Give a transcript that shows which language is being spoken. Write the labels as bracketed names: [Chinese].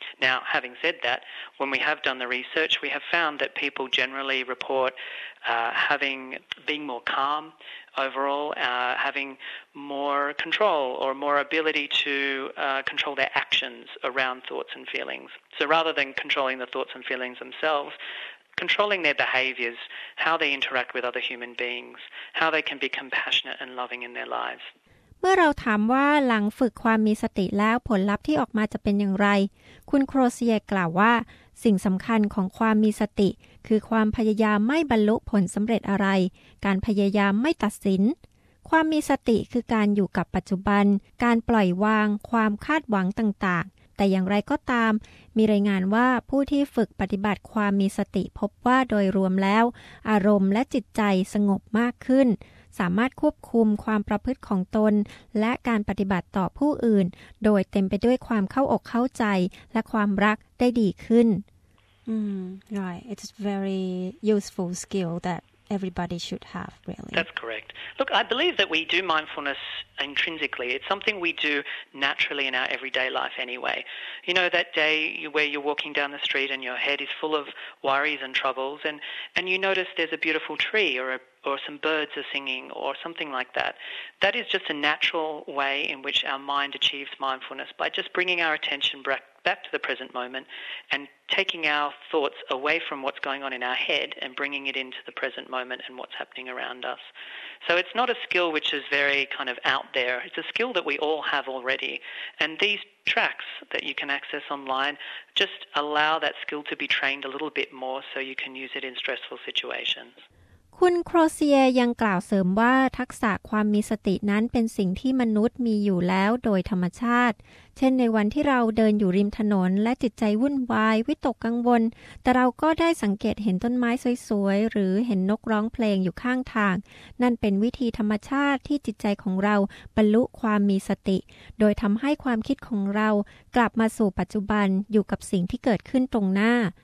[English] Now, having said that, when we have done the research, we have found that people generally report being more calm overall, having more control or more ability to control their actions around thoughts and feelings. So rather than controlling the thoughts and feelings themselves,controlling their behaviours, how they interact with other human beings, how they can be compassionate and loving in their lives. [Thai] เมื่อเราถามว่าหลังฝึกความมีสติแล้วผลลัพธ์ที่ออกมาจะเป็นอย่างไรคุณโครเซียกล่าวว่าสิ่งสำคัญของความมีสติคือความพยายามไม่บรรลุผลสำเร็จอะไรการพยายามไม่ตัดสินความมีสติคือการอยู่กับปัจจุบันการปล่อยวางความคาดหวังต่างๆ แต่อย่างไรก็ตามมีรายงานว่าผู้ที่ฝึกปฏิบัติความมีสติพบว่าโดยรวมแล้วอารมณ์และจิตใจสงบมากขึ้นสามารถควบคุมความประพฤติของตนและการปฏิบัติต่อผู้อื่นโดยเต็มไปด้วยความเข้าอกเข้าใจและความรักได้ดีขึ้น [English] Right, it's very useful skill thatEverybody should have, really. That's correct. Look, I believe that we do mindfulness intrinsically. It's something we do naturally in our everyday life anyway. You know, that day where you're walking down the street and your head is full of worries and troubles, and you notice there's a beautiful tree or some birds are singing or something like that. That is just a natural way in which our mind achieves mindfulness by just bringing our attention back to the present moment and taking our thoughts away from what's going on in our head and bringing it into the present moment and what's happening around us. So it's not a skill which is very kind of out there. It's a skill that we all have already. And these tracks that you can access online just allow that skill to be trained a little bit more so you can use it in stressful situations. [Thai] คุณโครเซียยังกล่าวเสริมว่าทักษะความมีสตินั้นเป็นสิ่งที่มนุษย์มีอยู่แล้วโดยธรรมชาติเช่นในวันที่เราเดินอยู่ริมถนนและจิตใจวุ่นวายวิตกกังวลแต่เราก็ได้สังเกตเห็นต้นไม้สวยๆหรือเห็นนกร้องเพลงอยู่ข้างทางนั่นเป็นวิธีธรรมชาติที่จิตใจของเราบรรลุความมีสติโดยทำให้ความคิดของเรากลับมาสู่ปัจจุบันอยู่กับสิ่งที่เกิดขึ้นตรงหน้า